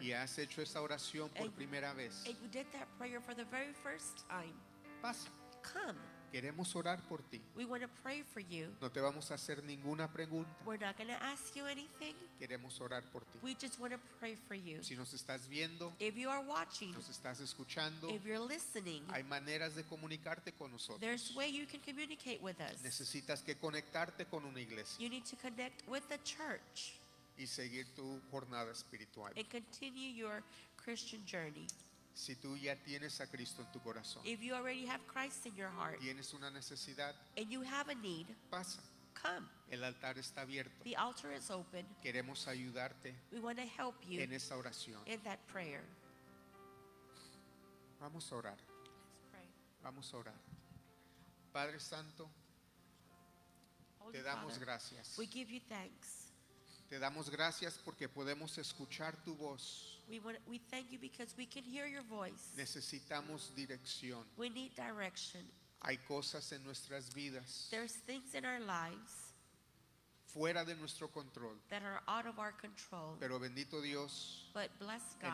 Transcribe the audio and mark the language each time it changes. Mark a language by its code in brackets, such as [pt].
[es] y has hecho esa oración por primera vez, [en] and you did that prayer for the very first time, [es] pasa. [en] Come. [es] Queremos orar por ti. [en] We want to pray for you. [es] No te vamos a hacer ninguna pregunta. [en] We're not going to ask you anything. [es] Queremos orar por ti. [en] We just want to pray for you. [es] Si nos estás viendo, [en] if you are watching, [es] nos estás escuchando, [en] if you're listening, [es] hay maneras de comunicarte con nosotros. [en] There's way you can communicate with us. [es] Necesitas que conectarte con una iglesia. [en] You need to connect with the church. [es] Y seguir tu jornada espiritual. [en] And continue your Christian journey. [es] Si tú ya tienes a Cristo en tu corazón. [en] If you already have Christ in your heart. [es] Tienes una necesidad. [en] And you have a need. [es] Pasa. [en] Come. [es] El altar está abierto. [en] The altar is open. [es] Queremos ayudarte. [en] We want to help you. [es] En esa oración. [en] In that prayer. [es] Vamos a orar. [en] Let's pray. [es] Vamos a orar. Padre Santo. [en] Holy [es] te damos [en] Father, [es] gracias. [en] We give you thanks. [es] Te damos gracias porque podemos escuchar tu voz. [en] We thank you because we can hear your voice. [es] Necesitamos dirección. [en] We need direction. [es] Hay cosas en nuestras vidas. [en] There's things in our lives. [es] Fuera de nuestro control. [en] That are out of our control. [es] Pero bendito Dios. [en] But bless God.